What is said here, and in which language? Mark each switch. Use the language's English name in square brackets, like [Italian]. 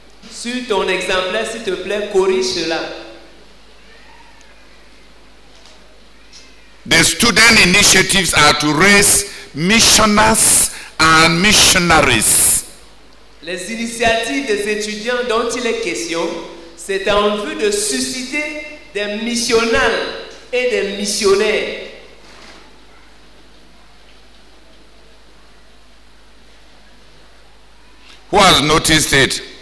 [French] Sur ton exemplaire, s'il te plaît, corrige cela. [English] The student initiatives are to raise missionaries and missionaries. [French] Les initiatives des étudiants dont il est question, c'est en vue de susciter des missionnaires et des missionnaires. [English] Who has noticed it?